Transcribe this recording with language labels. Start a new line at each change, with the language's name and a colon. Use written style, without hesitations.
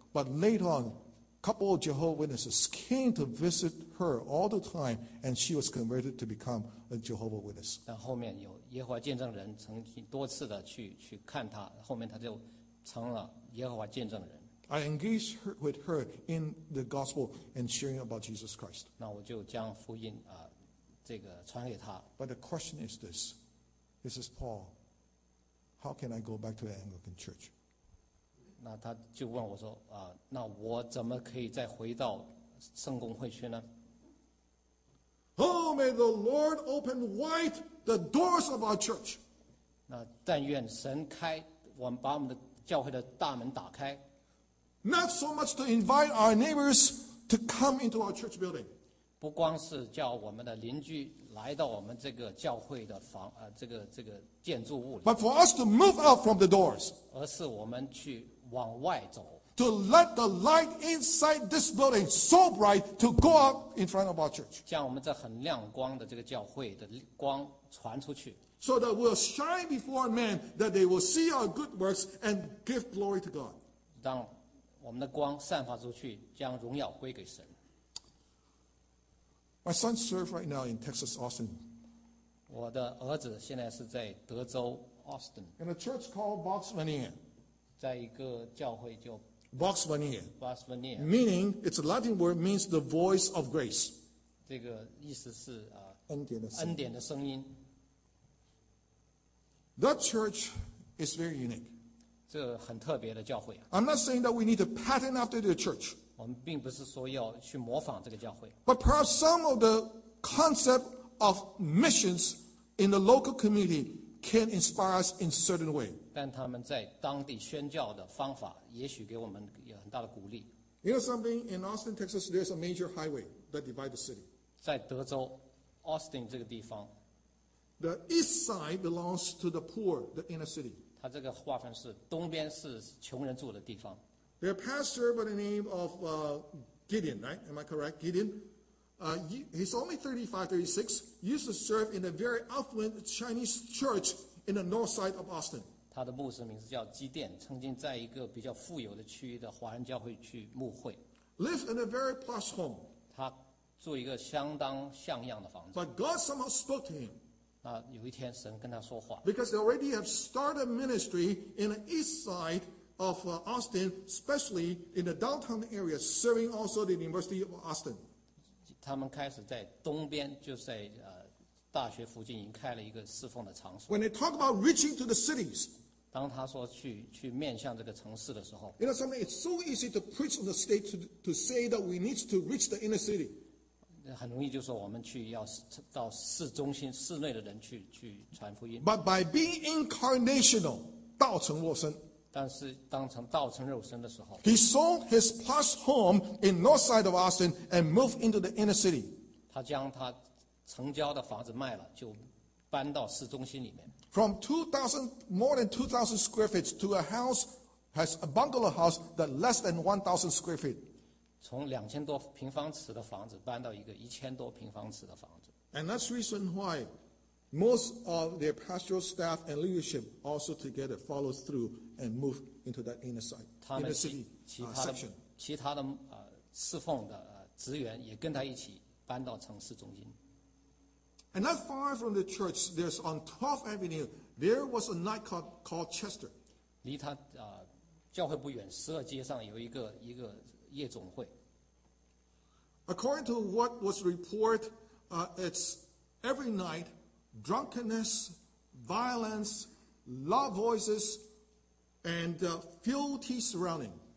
English: But later on,couple of Jehovah's Witnesses came to visit her all the time, and she was converted to become a Jehovah's Witness.
Chinese: 但后面有耶和华见证人曾经多次的去看她，后面她就成了耶和华见证人。
English: I engaged with her in the gospel and sharing about Jesus Christ.
Chinese: 那我就将福音这个传给她。
English: But the question is this: This is Paul. How can I go back to the Anglican Church?
Chinese: 那他就问我说那我怎么可以再回到圣公会去呢？
English: Oh, may the Lord open wide the doors of our church.
Chinese: 那但愿神开我们把我们的教会的大门打开。
English: Not so much to invite our neighbors to come into our church building.
Chinese: 不光是叫我们的邻居来到我们这个教会的房这个建筑物里。
English: But for us to move out from the doors.
Chinese: 而是我们去往外走。
English: To let the light inside this building so bright to go out in front of our church.
Chinese: 将我们这很亮光的这个教会的光传出去。
English: So that we'll shine before men that they will see our good works and give glory to God.
Chinese: 让我们的光散发出去，将荣耀归给神。
English: My son serves right now in Texas, Austin.
Chinese: 我的儿子现在是在德州 Austin.
English: In a church called Boxmania.
Chinese: 在一个教会叫
English: Boxmania, meaning it's a Latin word means the voice of grace.
Chinese: 这个意思是恩典的声音。
English: That church is very unique.
Chinese: 这很特别的教会。
English: I'm not saying that we need to pattern after the church.
Chinese: 我们并不是说要去模仿这个教会。
English: But perhaps some of the concept of missions in the local community can inspire us in certain way.
Chinese: 但他们在当地宣教的方法也许给我们有很大的鼓励。
English: You know something? In Austin, Texas, there's a major highway that divides the city.
Chinese: 在德州 Austin 这个地方。
English: The east side belongs to the poor, the inner city.
Chinese: 它这个划分是东边是穷人住的地方。
English: Their pastor by the name of Gideon, right? Am I correct? Gideon, he's only 35, 36, used to serve in a very affluent Chinese church in the north side of Austin.
Chinese: 他的牧师名字叫基甸，曾经在一个比较富有的区域的华人教会去牧会。
English: Live in a very posh home.
Chinese: 他住一个相当像样的房子。
English: But God somehow spoke to him.
Chinese: 那有一天神跟他说话。
English: Because they already have started a ministry in the east side of Austin, especially in the downtown area, serving also the University of Austin.
Chinese: 他们开始在东边，就在大学附近已经开了一个侍奉的场所。
English: When they talk about reaching to the cities,
Chinese: 当他说去面向这个城市的时候
English: ，You know something? It's so easy to preach on the state to say that we need to reach the inner city.
Chinese: 很容易就说我们去要到市中心市内的人去传福音。
English: But by being incarnational,
Chinese: 道成肉身，但是当成道成肉身的时候
English: ，He sold his plush home in north side of Austin and moved into the inner city.
Chinese: 他将他成交的房子卖了，就搬到市中心里面。
English: From 2,000 more than 2,000 square feet to a house has a bungalow house that less than 1,000 square feet.
Chinese: 从2000多平方尺的房子搬到一个1000多平方尺的房子。
English: And that's the reason why most of their pastoral staff and leadership also together follow through and move into that inner side, inner city section.
Chinese: 其他的侍奉的职员也跟他一起搬到城市中心。
English: And not far from the church, there's on 12th Avenue, there was a nightclub called Chester.
Chinese: 离他教会不远，十二街上有一个夜总会。
English: According to what was reported, it's every night, drunkenness, violence, loud voices, and filthy surrounding.